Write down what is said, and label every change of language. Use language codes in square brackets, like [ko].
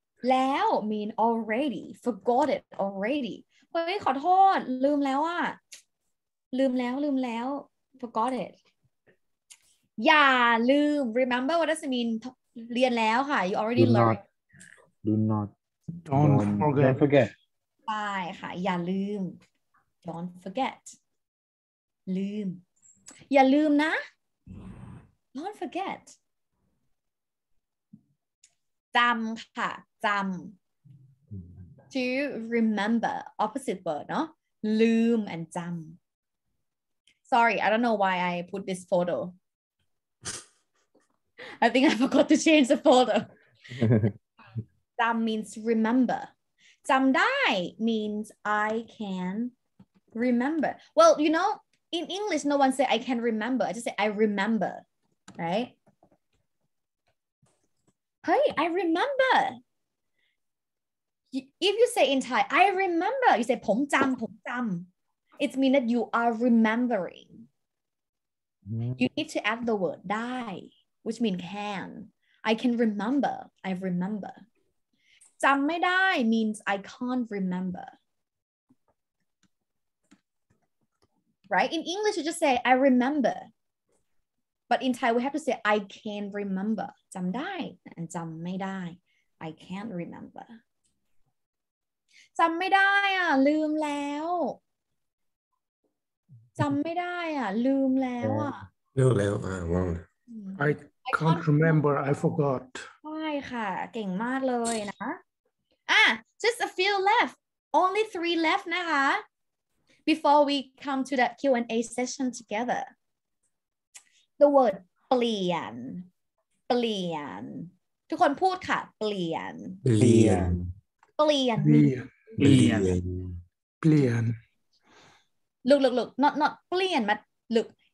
[th] แล้ว [en] mean already forgot it already [th] เฮ้ยขอโทษลืมแล้วอ่ะลืมแล้ว [en] forgot it [th] อย่าลืม [en] remember what does it mean [th] เรียนแล้วค่ะ [en] you already learned Do not forget. [th] ใช่ค่ะอย่าลืม [en] Don't forget. [th] ลืมอย่าลืมนะ Don't forget. จำค่ะจำ [en] To remember opposite word [th] เนาะลืม [en] and จำ Sorry I don't know why I put this photo. I think I forgot to change the photo. Jam means remember. Jam dai means I can remember. Well, you know, in English, no one say I can remember. I just say I remember, right? Hey, I remember. If you say in Thai, I remember, you say [th] ผมจำ. [en] It means that you are remembering. You need to add the word dai, which means can. I can remember. I remember. [th] จำไม่ได้ [en] means I can't remember right in English you just say I remember but in Thai we have to say I can remember [th] จำได้ [en] and จำไม่ได้ I can't remember [th] จำไม่ได้อ่ะลืมแล้วจำไม่ได้อ่ะลืมแล้วอ่ะ ลืมแล้ว [en] I can't remember I forgot [th] ใช่ค่ะเก่งมากเลยนะ [en] Just a few left. Only three left, nah. Before we come to that Q&A session together. The word "เปลี่ยน." [th] เปลี่ยน. ทุกคนพูดค่ะ เปลี่ยน. เปลี่ยน. เปลี่ยน. เปลี่ยน. เปลี่ยน. [en] Look. Not เปลี่ยน, but look.